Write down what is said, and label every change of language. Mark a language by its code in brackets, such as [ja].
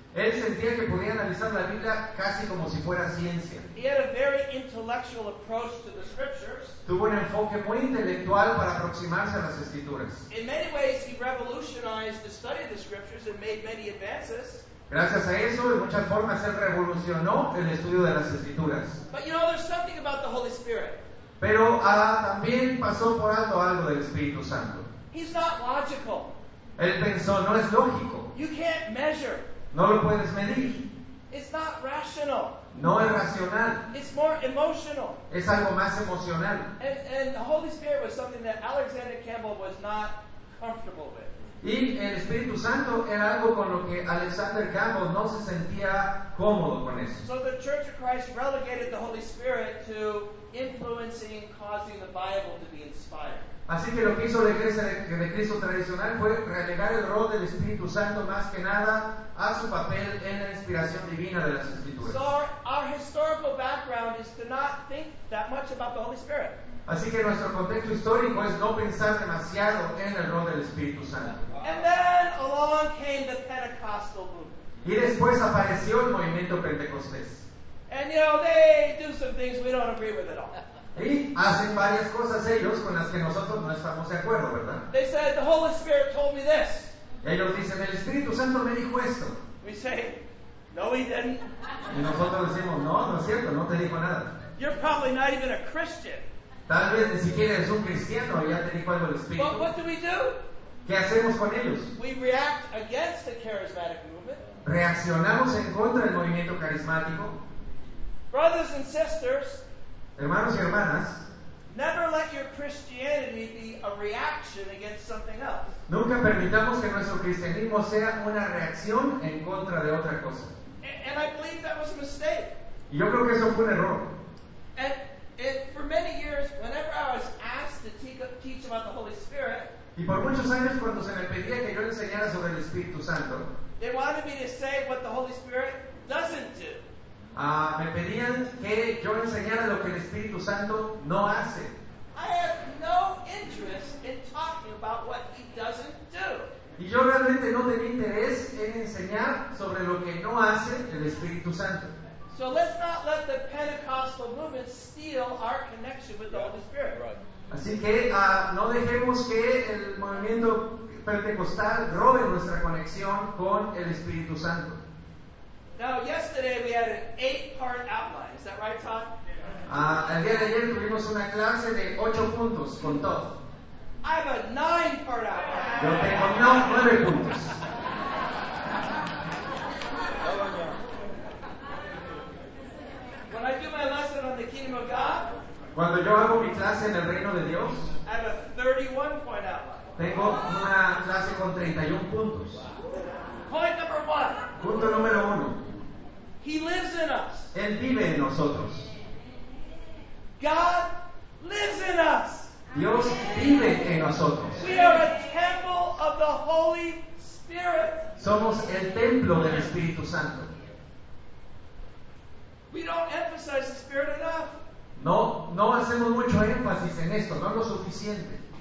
[es] Él sentía que podía analizar la Biblia casi como si fuera ciencia. [en] He had a very intellectual approach to the scriptures. [es] Tuvo un enfoque muy intelectual para aproximarse a las Escrituras. [en] In many ways, he revolutionized the study of the scriptures and made many advances. [es] Gracias a eso, de muchas formas, él revolucionó el estudio de las Escrituras. [en] But you know, there's something about the Holy Spirit. [es] Pero también pasó por alto algo del Espíritu Santo. [en] He's not logical. [es] Él pensó, no es lógico. [en] You can't measure. [es] No lo puedes medir. [en] It's not rational. [es] No es racional. [en] It's more emotional. [es] Es algo más emocional. [en] And the Holy Spirit was something that Alexander Campbell was not comfortable with. [es] Y el Espíritu Santo era algo con lo que Alexander Campbell no se sentía cómodo con eso. [en] So the Church of Christ relegated the Holy Spirit to influencing, causing the Bible to be inspired. [es] Así que lo que hizo la iglesia de Cristo tradicional fue relegar el rol del Espíritu Santo más que nada a su papel en la inspiración divina de las Escrituras. [en] So our historical background is to not think that much about the Holy Spirit. [es] Así que nuestro contexto histórico es no pensar demasiado en el rol del Espíritu Santo. [en] And then along came the Pentecostal movement. [es] Y después apareció el movimiento pentecostés. [en] And you know, they do some things we don't agree with at all. [es] Y hacen varias cosas ellos con las que nosotros no estamos de acuerdo, ¿verdad? [en] They said, the Holy Spirit told me this. [es] Ellos dicen, el Espíritu Santo me dijo esto. [en] We say, no, he didn't. [es] Y nosotros decimos, no, no es cierto, no te dijo nada. [en] You're probably not even a Christian. [es] Tal vez ni siquiera eres un cristiano y ya te dijo algo el Espíritu. [en] But what do we do? [es] ¿Qué hacemos con ellos? [en] We react against the charismatic movement. [es] Reaccionamos en contra del movimiento carismático. [en] Brothers and sisters, [es] hermanos y hermanas, [en] never let your Christianity be a reaction against something else. [es] Nunca permitamos que nuestro cristianismo sea una reacción en contra de otra cosa. [en] And I believe that was a mistake. [es] Y yo creo que eso fue un error. [en] And for many years, whenever I was asked to teach about the Holy Spirit, [es] y por muchos años cuando se me pedía que yo enseñara sobre el Espíritu Santo, [en] they wanted me to say what the Holy Spirit doesn't do. [es] Me pedían que yo enseñara lo que el Espíritu Santo no hace. [en] I have no interest in talking about what he doesn't do. [es] Y yo realmente no tenía interés en enseñar sobre lo que no hace el Espíritu Santo. [en] So let's not let the Pentecostal movement steal our connection with the Holy Spirit. [es] Así que no dejemos que el movimiento pentecostal robe nuestra conexión con el Espíritu Santo. [en] Now, yesterday we had an 8-part outline. Is that right, Todd? [es] El día de ayer tuvimos una clase de 8 puntos con Todd. [en] I have a 9-part outline. [es] Yo tengo 9 puntos. [en] When I do my lesson on the kingdom of God, [es] cuando yo hago mi clase en el reino de Dios, [en] I have a 31-point outline. [es] Tengo una clase con 31 puntos. [en] Point number one. [es] Punto número 1. [en] He lives in us. [es] Él vive en nosotros. [en] God lives in us. [es] Dios vive en nosotros. [en] We are a temple of the Holy Spirit. [es] Somos el templo del Espíritu Santo. [en] We don't emphasize the Spirit enough. [es] No hacemos mucho énfasis en esto, no lo suficiente.